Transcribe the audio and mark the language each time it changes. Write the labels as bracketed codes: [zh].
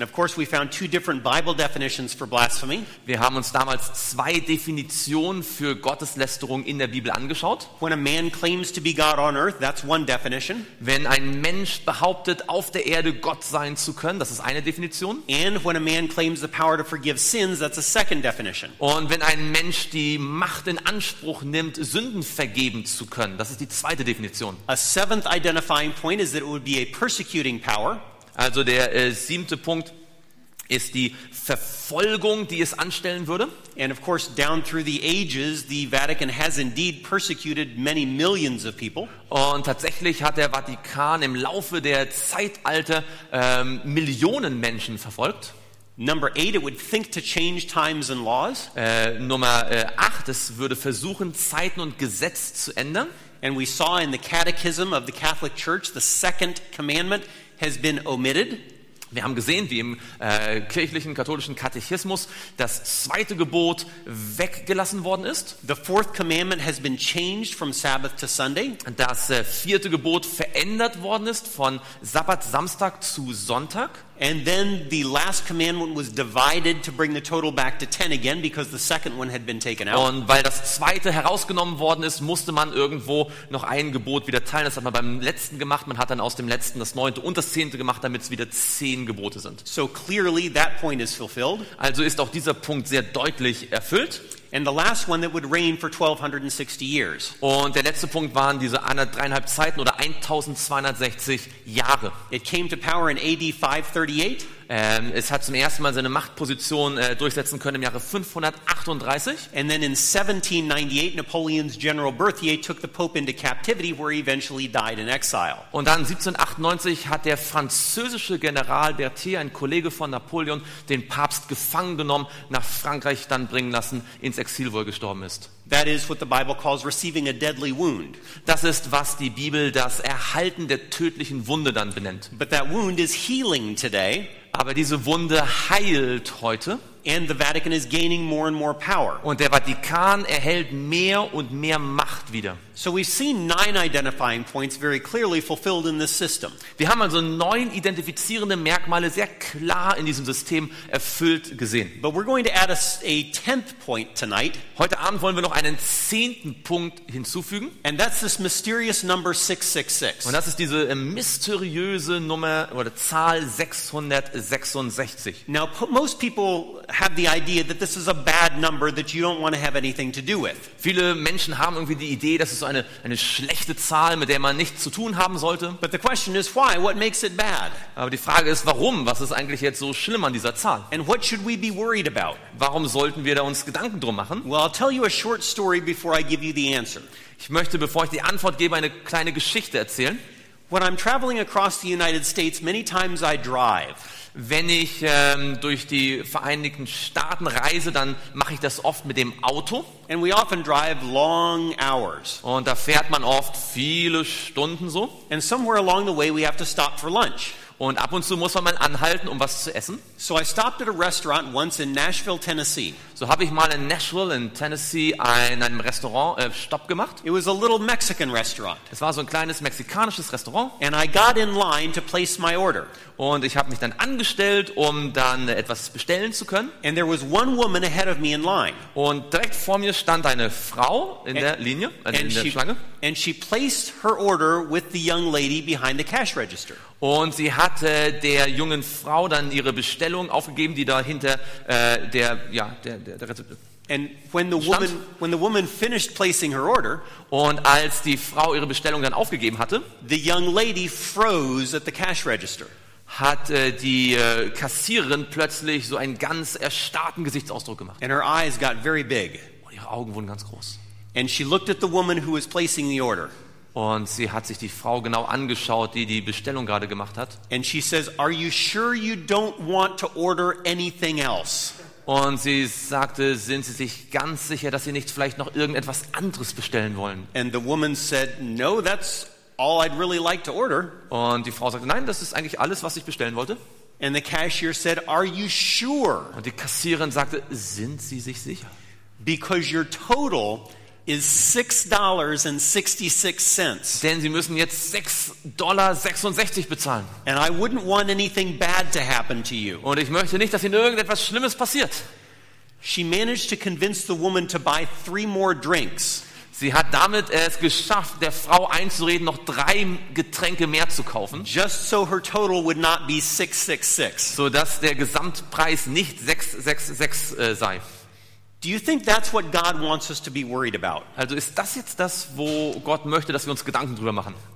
[en] And of course we found 2 different Bible definitions for blasphemy. [de] Wir haben uns damals 2 Definitionen für Gotteslästerung in der Bibel angeschaut. [en] When a man claims to be God on earth, that's one definition. [de] Wenn ein Mensch behauptet, auf der Erde Gott sein zu können, das ist eine Definition. [en] And when a man claims the power to forgive sins, that's a second definition. [de] Und wenn ein Mensch die Macht in Anspruch nimmt, Sünden vergeben zu können, das ist die zweite Definition. [en] A 7th identifying point is that it would be a persecuting power. [de] Also der 7. Punkt ist die Verfolgung, die es anstellen würde. [en] And of course down through the ages the Vatican has indeed persecuted many millions of people. [de] Und tatsächlich hat der Vatikan im Laufe der Zeitalter Millionen Menschen verfolgt. [en] Number 8, it would think to change times and laws. [de] Nummer 8, es würde versuchen, Zeiten und Gesetze zu ändern. [en] And we saw in the Catechism of the Catholic Church, the second commandment has been omitted. [de] Wir haben gesehen, wie im kirchlichen katholischen Katechismus das zweite Gebot weggelassen worden ist. [en] The fourth commandment has been changed from Sabbath to Sunday. [de] Das vierte Gebot verändert worden ist von Sabbat, Samstag zu Sonntag. [en] And then the last commandment was divided to bring the total back to 10 again because the second one had been taken out. [de] Und weil das zweite herausgenommen worden ist, musste man irgendwo noch ein Gebot wieder teilen. Das hat man beim letzten gemacht. Man hat dann aus dem letzten das neunte und das zehnte gemacht, damit es wieder 10 Gebote sind. [en] So clearly that point is fulfilled. [de] Also ist auch dieser Punkt sehr deutlich erfüllt. [en] And the last one that would reign for 1260 years. [de] Und der letzte Punkt waren diese 1,5 Zeiten oder 1260 Jahre. [en] It came to power in AD 538. [de] Es hat zum ersten Mal seine Machtposition durchsetzen können im Jahre 538. [en] And then in 1798 Napoleon's General Berthier took the Pope into captivity where he eventually died in exile. [de] Und dann 1798 hat der französische General Berthier, ein Kollege von Napoleon, den Papst gefangen genommen, nach Frankreich dann bringen lassen, ins Exil, wo er gestorben ist. [en] That is what the Bible calls receiving a deadly wound. [de] Das ist, was die Bibel das Erhalten der tödlichen Wunde dann benennt. [en] But that wound is healing today. [de] Aber diese Wunde heilt heute. [en] And the Vatican is gaining more and more power. [de] Und der Vatikan erhält mehr und mehr Macht wieder. [en] So we've seen 9 identifying points very clearly fulfilled in this system. [de] Wir haben also 9 identifizierende Merkmale sehr klar in diesem System erfüllt gesehen. [en] But we're going to add a 10th point tonight. [de] Heute Abend wollen wir noch einen 10. Punkt hinzufügen. [en] And that's this mysterious number 666. [de] Und das ist diese mysteriöse Nummer oder Zahl 666. [en] Now most people have the idea that this is a bad number that you don't want to have anything to do with. [de] Viele Menschen haben irgendwie die Idee, dass es eine schlechte Zahl, mit der man nichts zu tun haben sollte. [en] But the question is why? What makes it bad? [de] Aber die Frage ist, warum? Was ist eigentlich jetzt so schlimm an dieser Zahl? [en] And what should we be worried about? [de] Warum sollten wir da uns Gedanken drum machen? [en] Well, I'll tell you a short story before I give you the answer. [de] Ich möchte, bevor ich die Antwort gebe, eine kleine Geschichte erzählen. [en] When I'm traveling across the United States, many times I drive. [de] Wenn ich durch die Vereinigten Staaten reise, dann mache ich das oft mit dem Auto. [en] And we often drive long hours. [de] Und da fährt man oft viele Stunden so. [en] And somewhere along the way we have to stop for lunch. [de] Und ab und zu muss man mal anhalten, um was zu essen. [en] So I stopped at a restaurant once in Nashville, Tennessee. [de] So habe ich mal in Nashville in Tennessee in einem Restaurant Stopp gemacht. [en] It was a little Mexican restaurant. [de] Es war so ein kleines mexikanisches Restaurant. [en] And I got in line to place my order. [de] Und ich habe mich dann angestellt, um dann etwas bestellen zu können. [en] And there was one woman ahead of me in line. [de] Und direkt vor mir stand eine Frau in der Linie, in der Schlange. [en] And she placed her order with the young lady behind the cash register. [de] Und sie hatte der jungen Frau dann ihre Bestellung aufgegeben, die da hinter der Rezeption. [en] And when the woman finished placing her order, [de] und als die Frau ihre Bestellung dann aufgegeben hatte, [en] the young lady froze at the cash register. [de] Hat die Kassiererin plötzlich so einen ganz erstarrten Gesichtsausdruck gemacht. [en] And her eyes got very big. [de] Und ihre Augen wurden ganz groß. [en] And she looked at the woman who was placing the order. [de] Und sie hat sich die Frau genau angeschaut, die die Bestellung gerade gemacht hat. [en] And she says, "Are you sure you don't want to order anything else?" [de] Und sie sagte, sind Sie sich ganz sicher, dass Sie nicht vielleicht noch irgendetwas anderes bestellen wollen? [en] And the woman said, "No, that's all I'd really like to order." [de] Und die Frau sagte, nein, das ist eigentlich alles, was ich bestellen wollte. [en] And the cashier said, "Are you sure?" [de] Und die Kassiererin sagte, sind Sie sich sicher? [en] "Because your total is $6.66. [de] Denn Sie müssen jetzt $6.66 bezahlen. [en] And I wouldn't want anything bad to happen to you." [de] Und ich möchte nicht, dass Ihnen irgendetwas Schlimmes passiert. [en] She managed to convince the woman to buy 3 more drinks. [de] Sie hat damit es geschafft, der Frau einzureden, noch 3 Getränke mehr zu kaufen. [en] Just so her total would not be 666. [de] Sodass der Gesamtpreis nicht 666 sei. [en] Do you think that's what God wants us to be worried about? [de] Also ist das jetzt das, wo Gott möchte, dass wir uns Gedanken drüber machen?